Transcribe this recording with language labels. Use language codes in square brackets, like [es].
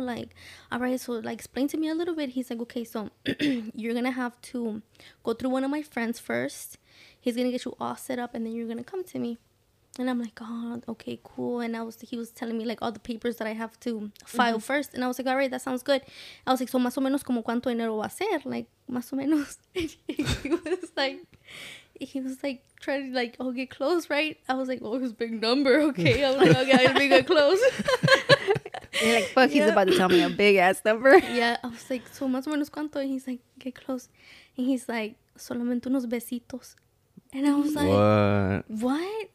[en] Like, all right. So, like, explain to me a little bit. He's like, okay, so you're going to have to go through one of my friends first. He's going to get you all set up. And then you're going to come to me. And I'm like, oh, okay, cool. And he was telling me, like, all the papers that I have to file mm-hmm. first. And I was like, all right, that sounds good. I was like, so [es] más o menos como cuánto dinero va a ser? [en] Like, [es] más o menos. [en] He was like... he was like trying to like, oh, get close, right? I was like, oh, his big number, okay. I was like, okay, I'm gonna get close. You're like, fuck, yeah. He's about to tell me a big ass number. Yeah, I was like, so [es] más o menos cuánto? [en] And he's like, get close. And he's like, [es] solamente unos besitos. [en] And I was like, what?